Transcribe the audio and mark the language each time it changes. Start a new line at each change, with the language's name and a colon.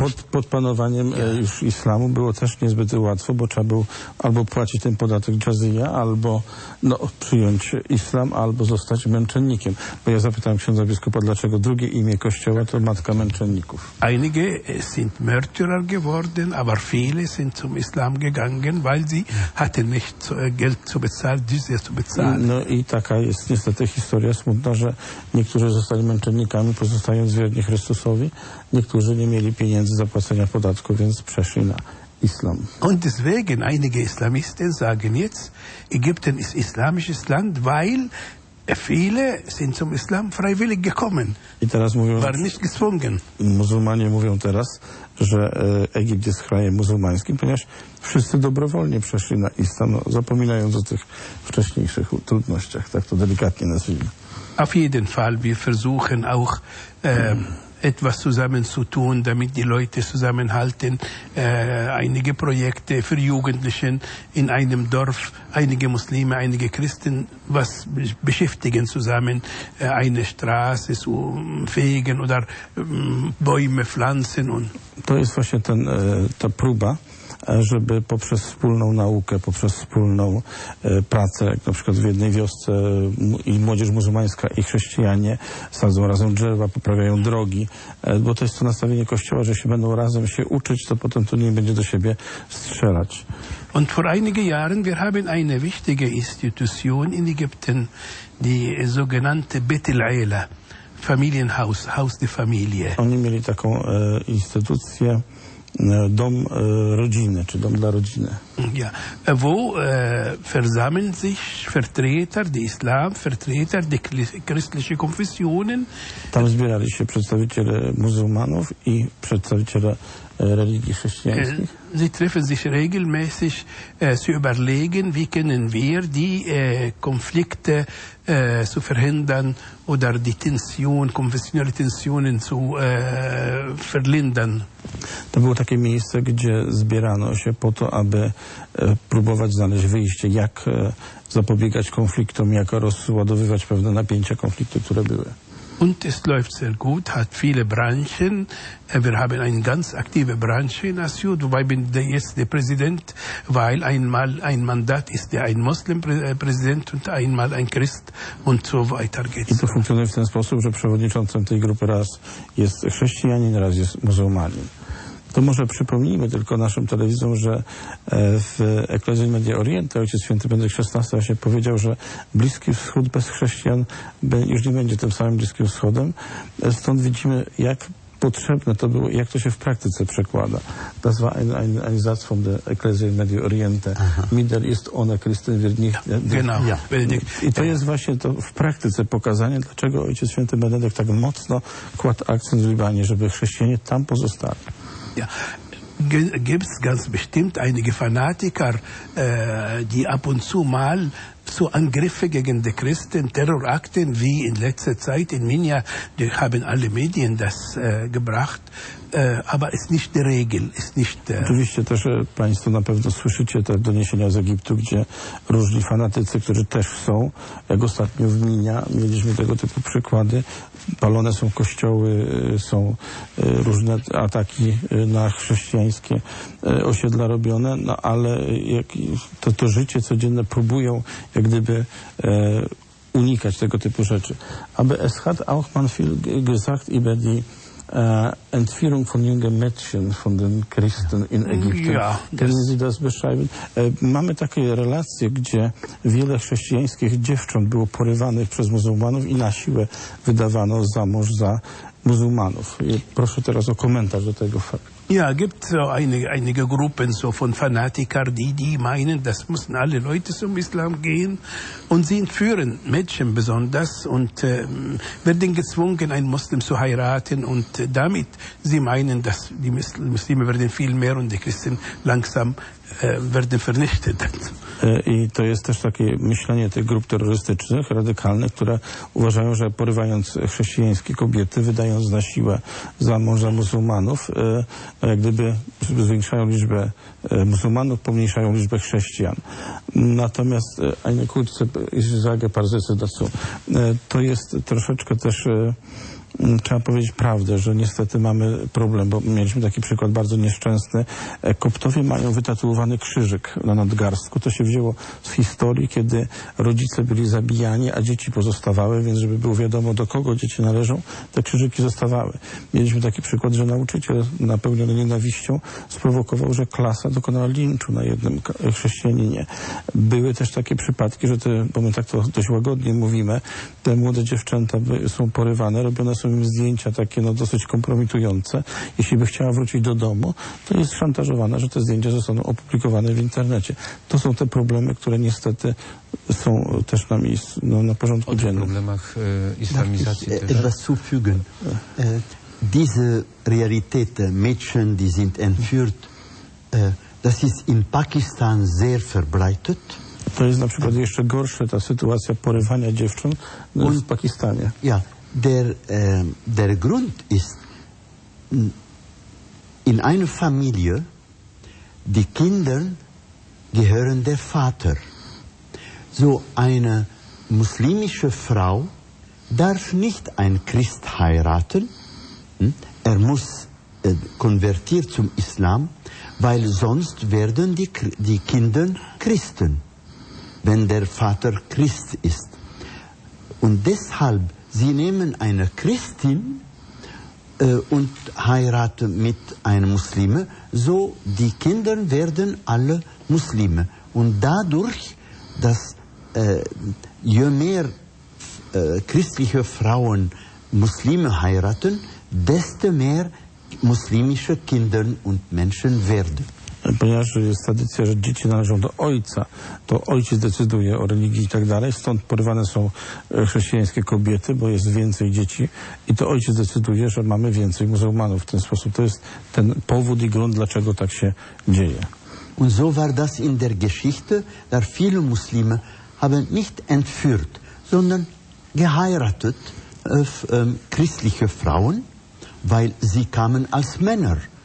Polish: Pod panowaniem już islamu było też niezbyt łatwo, bo trzeba było albo płacić ten podatek dżazija, albo no, przyjąć islam, albo zostać męczennikiem. Bo ja zapytałem księdza biskupa, dlaczego drugie imię kościoła to Matka Męczenników.
German: Einige sind Märtyrer geworden, aber viele sind zum Islam gegangen, weil sie hatten nicht Geld zu bezahlen, dżizja zu bezahlen.
Polish: No i taka jest niestety historia smutna, że niektórzy zostali męczennikami, pozostając wierni Chrystusowi. Niektórzy nie mieli pieniędzy zapłacenia podatku, więc przeszli na islam.
German: Und deswegen einige Islamisten sagen jetzt, Ägypten ist islamisches Land, weil Viele sind zum Islam freiwillig gekommen.
Polish: I teraz mówią,
German: waren nicht gezwungen.
Polish: Muzułmanie mówią teraz, że Egipt jest krajem muzułmańskim, ponieważ wszyscy dobrowolnie przeszli na islam, no, zapominając o tych wcześniejszych trudnościach, tak to delikatnie nazwijmy.
German: Auf jeden Fall, wir versuchen auch etwas zusammen zu tun, damit die Leute zusammenhalten, einige Projekte für Jugendlichen in einem Dorf, einige Muslime, einige Christen, was beschäftigen zusammen, eine Straße zu fegen oder Bäume pflanzen und.
Polish: To jest właśnie ten, ta próba, żeby poprzez wspólną naukę, poprzez wspólną pracę, jak na przykład w jednej wiosce i młodzież muzułmańska i chrześcijanie sadzą razem drzewa, poprawiają drogi, bo to jest to nastawienie Kościoła, że się będą razem się uczyć, to potem to nie będzie do siebie strzelać.
German: Und vor einigen Jahren wir haben eine wichtige Institution in Ägypten, die sogenannte Betel-Eila, Familienhaus, Haus der Familie.
Polish: Oni mieli taką instytucję, Dom rodziny, czy dom dla rodziny.
German: Ja. Wo versammeln sich Vertreter des Islam, Vertreter der christlichen Konfessionen?
Polish: Tam zbierali się przedstawiciele muzułmanów i przedstawiciele religii chrześcijańskich.
German: Sie treffen sich regelmäßig zu überlegen, wie können wir die Konflikte zu verhindern oder die Tension, konfessionelle Tensionen zu verlindern.
Polish: To było takie miejsce, gdzie zbierano się po to, aby próbować znaleźć wyjście, jak zapobiegać konfliktom, jak rozładowywać pewne napięcia, konflikty, które były.
German: Und es läuft sehr gut, hat viele Branchen. Wir haben eine ganz aktive Branche in Assyut, wobei bin jetzt der Präsident, weil einmal ein Mandat ist der ein Muslim-Präsident und einmal ein Christ und so weiter geht's.
Polish: I to funkcjonuje w ten sposób, że przewodniczącym tej grupy raz jest chrześcijanin, raz jest muzułmanin. To może przypomnijmy tylko naszym telewizom, że w Ecclesia Media Oriente Ojciec Święty Benedykt XVI właśnie powiedział, że Bliski Wschód bez chrześcijan już nie będzie tym samym Bliskim Wschodem. Stąd widzimy, jak potrzebne to było i jak to się w praktyce przekłada.
German: Das war ein Satz von der Ecclesia Media Oriente. Mider ist ohne Christen wird nicht. Genau. Ja.
Polish: I to jest właśnie to w praktyce pokazanie, dlaczego Ojciec Święty Benedykt tak mocno kładł akcent w Libanie, żeby chrześcijanie tam pozostali.
German: Ja, gibt es ganz bestimmt einige Fanatiker, die ab und zu mal so Angriffe gegen die Christen, Terrorakten wie in letzter Zeit in Minya, die haben alle Medien das gebracht, aber ist nicht die Regel, ist nicht.
Polish: Oczywiście też Państwo na pewno słyszycie te doniesienia z Egiptu, gdzie różni fanatycy, którzy też są, jak ostatnio w Minya, mieliśmy tego typu przykłady. Palone są kościoły, są różne ataki na chrześcijańskie osiedla robione, no ale jak to życie codzienne próbują jak gdyby unikać tego typu rzeczy.
German: Aby es hat auch man viel gesagt über die Entführung von jungen Mädchen von den Christen in Egipten. Ja, können Sie das beschreiben?
Polish: Mamy takie relacje, gdzie wiele chrześcijańskich dziewcząt było porywanych przez muzułmanów i na siłę wydawano za mąż za muzułmanów. I proszę teraz o komentarz do tego faktu.
German: Ja, gibt so einige Gruppen so von Fanatikern, die meinen, das müssen alle Leute zum Islam gehen und sie entführen Mädchen besonders und werden gezwungen, einen Muslim zu heiraten und damit sie meinen, dass die Muslime werden viel mehr und die Christen langsam werden vernichtet.
Polish: I to jest też takie myślenie tych grup terrorystycznych, radykalnych, które uważają, że porywając chrześcijańskie kobiety, wydając na siłę za mąża muzułmanów, jak gdyby zwiększają liczbę muzułmanów, pomniejszają liczbę chrześcijan.
German: Natomiast eine kurze Frage, paar Sätze dazu.
Polish: To jest troszeczkę też, trzeba powiedzieć prawdę, że niestety mamy problem, bo mieliśmy taki przykład bardzo nieszczęsny. Koptowie mają wytatuowany krzyżyk na nadgarstku. To się wzięło z historii, kiedy rodzice byli zabijani, a dzieci pozostawały, więc żeby było wiadomo, do kogo dzieci należą, te krzyżyki zostawały. Mieliśmy taki przykład, że nauczyciel napełniony nienawiścią sprowokował, że klasa dokonała linczu na jednym chrześcijaninie. Były też takie przypadki, że bo my tak to dość łagodnie mówimy, te młode dziewczęta są porywane, robione sposobem zdjęcia takie no, dosyć kompromitujące. Jeśli by chciała wrócić do domu, to jest szantażowana, że te zdjęcia zostaną opublikowane w internecie. To są te problemy, które niestety są też na miejscu, no, na porządku dziennym. O problemach islamizacji.
German: Etwas zufügen. Diese Realität, Mädchen, die sind entführt, das ist in Pakistan sehr verbreitet.
Polish: To jest na przykład jeszcze gorsze ta sytuacja porywania dziewcząt w Pakistanie.
German: Ja, der Grund ist, in einer Familie, die Kinder gehören der Vater. So eine muslimische Frau darf nicht ein Christ heiraten. Er muss konvertiert zum Islam, weil sonst werden die Kinder Christen, wenn der Vater Christ ist. Und deshalb, sie nehmen eine Christin und heiraten mit einem Muslime, so die Kinder werden alle Muslime. Und dadurch, dass je mehr christliche Frauen Muslime heiraten, desto mehr muslimische Kinder und Menschen werden.
Polish: Ponieważ jest tradycja, że dzieci należą do ojca, to ojciec decyduje o religii i tak dalej, stąd porywane są chrześcijańskie kobiety, bo jest więcej dzieci i to ojciec decyduje, że mamy więcej muzułmanów w ten sposób. To jest ten powód i grunt, dlaczego tak się dzieje.
German: Und so war das in der Geschichte, da viele Muslime haben nicht entführt, sondern geheiratet auf christliche Frauen, weil sie kamen als Männer.